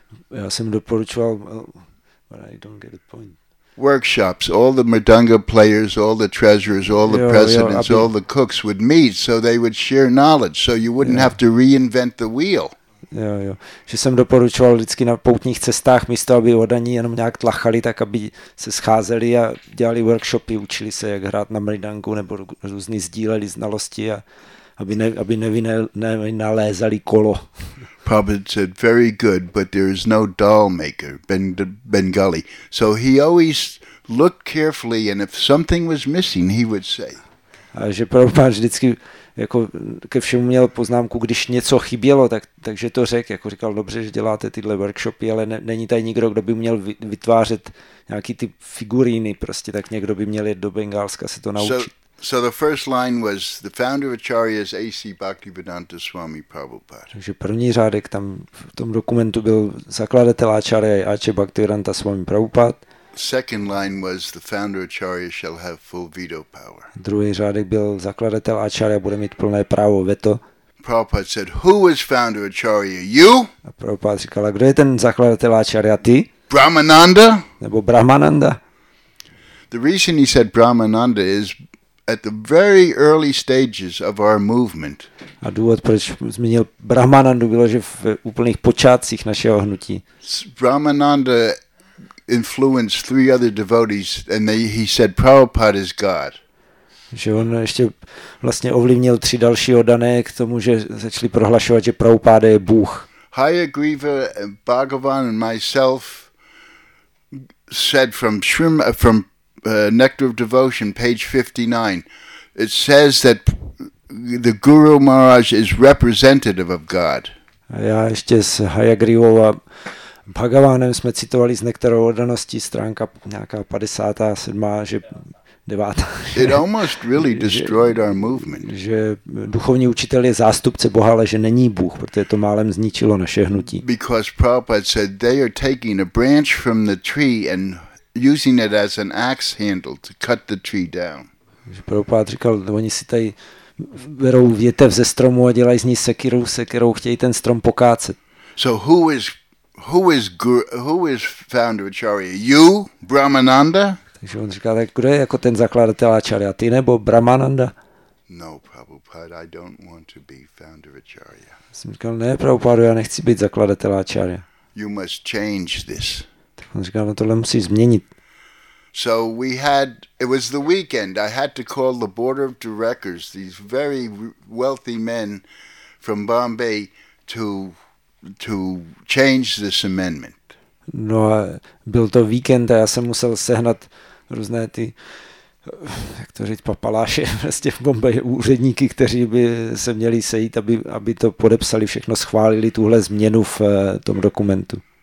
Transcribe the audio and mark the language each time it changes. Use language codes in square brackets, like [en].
[cs] Já jsem doporučoval, [en] but I don't get the point. Workshops, all the mridanga players, all the treasurers, all the presidents, all the cooks would meet so they would share knowledge so you wouldn't have to reinvent the wheel. [cs] Jo, jo. Že jsem doporučoval vždycky na poutních cestách, místo aby odaní jenom nějak tlachali, tak aby se scházeli a dělali workshopy, učili se, jak hrát na mridangu, nebo různý sdíleli znalosti, a aby nevynalézali kolo. [en] Prabhupada said, very good, but there is no doll maker, Bengali. So he always looked carefully, and if something was missing, he would say. [cs] A že Prabhupada vždycky jako ke všemu měl poznámku, když něco chybělo, takže to řekl, jako říkal, dobře, že děláte tyhle workshopy, ale není tady nikdo, kdo by měl vytvářet nějaký ty figuríny, prostě tak někdo by měl jít do Bengálska se to naučit. [en] So the first line was, the founder of Acharya is A.C. Bhaktivedanta Swami Prabhupada. [cs] Takže první řádek tam v tom dokumentu byl, zakladatel Acharya je A.C. Bhaktivedanta Swami Prabhupada. [en] Second line was, the founder Acharya shall have full veto power. [cs] Druhý řádek byl, zakladatel Acharya bude mít plné právo veto. [en] Prabhupada said, who is founder Acharya? You? [cs] A Prabhupada říkala, kdo je ten zakladatel Acharya? Ty? [en] Brahmananda? [cs] Nebo Brahmananda? [en] The reason he said Brahmananda is at the very early stages of our movement. [cs] A důvod, proč zmínil Brahmanandu, bylo, že v úplných počátcích našeho hnutí. [en] Brahmananda influenced three other devotees, and he said Prabhupada is God. [cs] Že on ještě vlastně ovlivnil tři další oddané k tomu, že začali prohlašovat, že Prabhupada je Bůh. [en] Hayagriva, Bhagavan and myself said from Nectar of Devotion, page 59, it says that the Guru Maharaj is representative of God. [cs] A já ještě s Hayagrivou a Bhagavanem jsme citovali z Nektarovy oddanosti, stránka nějaká 57, že 9. [en] It almost really destroyed our movement. [cs] Že duchovní učitel je zástupce Boha, ale že není Bůh, protože to málem zničilo naše hnutí. [en] Because Prabhupada said they are taking a branch from the tree and using it as an axe handle to cut the tree down. [cs] Prabhupada říkal, oni si tady berou větev ze stromu a dělají z ní sekiru, se kterou chtějí ten strom pokácet. [en] So who is founder Acharya? You, Brahmananda? [cs] Takže on říkal, tak kdo je jako ten zakladatel Acharya? Ty nebo Brahmananda? [en] No, Prabhupada, I don't want to be founder Acharya. [cs] Jsem říkal, ne, Prabhupada, já nechci být zakladatel Acharya. [en] You must change this. [cs] On říkal, no tohle musí změnit. [en] So we had, it was the weekend, I had to call the board of directors, these very wealthy men from Bombay, to change this amendment. [cs] No a byl to víkend a já jsem musel sehnat různé ty, jak to říct, papaláše, prostě v Bombay, úředníky, kteří by se měli sejít, aby to podepsali všechno, schválili tuhle změnu v tom dokumentu.